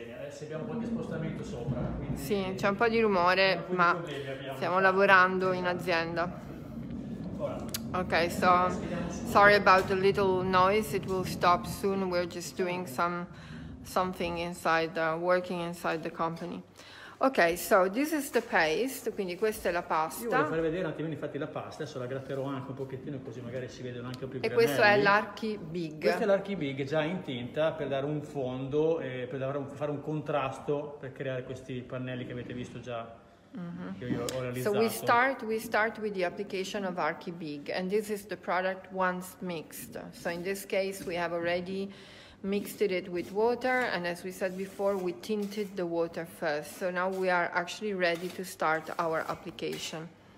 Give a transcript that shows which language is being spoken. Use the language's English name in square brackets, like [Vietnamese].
[Italian] Se abbiamo un po' di spostamento sopra, quindi sì, c'è un po' di rumore, ma stiamo lavorando in azienda. [English] Ok, so sorry about the little noise, it will stop soon. We're just doing something inside working inside the company. Ok, so this is the paste, [Italian] quindi questa è la pasta. Io volevo far vedere un attimino infatti la pasta, adesso la gratterò anche un pochettino così magari si vedono anche più granelli. E questo è l'Archi Big. Questo è l'Archi Big già in tinta per dare un fondo, e per fare un contrasto per creare questi pannelli che avete visto già. [English] So we start with the application of Archi Big, and this is the product once mixed. So in this case we have already mixed it with water, and as we said before, we tinted the water first. So now we are actually ready to start our application.